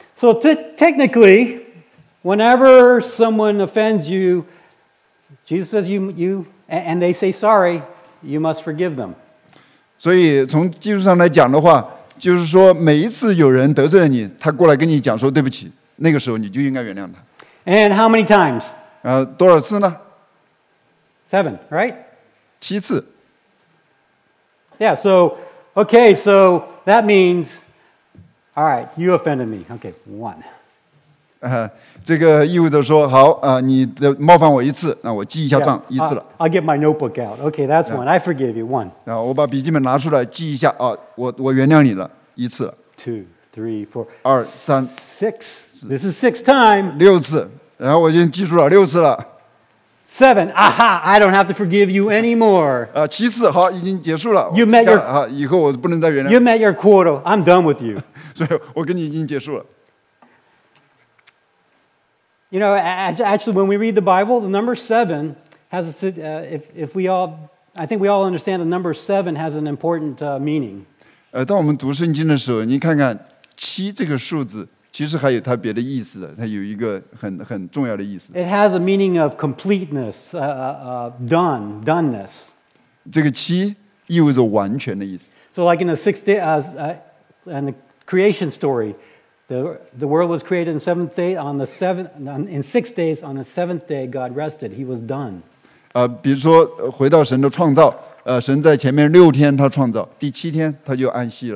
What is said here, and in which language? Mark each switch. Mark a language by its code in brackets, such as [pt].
[en] So technically, whenever someone offends you, Jesus says you and they say sorry, you must forgive them. [zh] 所以从技术上来讲的话，就是说每一次有人得罪了你，他过来跟你讲说对不起。那个时候你就应该原谅他。 [en] And how many times? [zh] 多少次呢 [en] ？Seven, right? [zh] 七次。 [en] Yeah. So, okay. So that means, all right, you offended me. Okay, one. [zh] 这个意味着说，好啊，你冒犯我一次，那我记一下账， [en] yeah, [zh] 一次了。 [en] I'll get my notebook out. Okay, that's one. I forgive you one. [zh] 然后我把笔记本拿出来记一下啊，我原谅你了一次了。 [en] Two, three, four. [zh] 二三 [en] six. This is six times. [zh] 六次，然后我已经记住了六次了。 [en] Seven. Aha! I don't have to forgive you anymore. [zh] 七次，好，已经结束了。 [en] You met your [zh] 啊，以后我不能再原谅。 [en] You met your quota. I'm done with you. [zh] 所以，我跟你已经结束了。 [en] You know, actually, when we read the Bible, the number seven has a if we all I think we all understand the number seven has an important meaning. [zh] 当我们读圣经的时候，你看看七这个数字。其实还有它别的意思的，它有一个很重要的意思。 [en] It has a meaning of completeness, doneness. [zh] 这个七意味着完全的意思。 [en] So like in the sixth day, in the creation story, the world was created in seventh day, in 6 days, on the seventh day, God rested, he was done. [zh] 比如说回到神的创造，神在前面六天他创造，第七天他就安息了。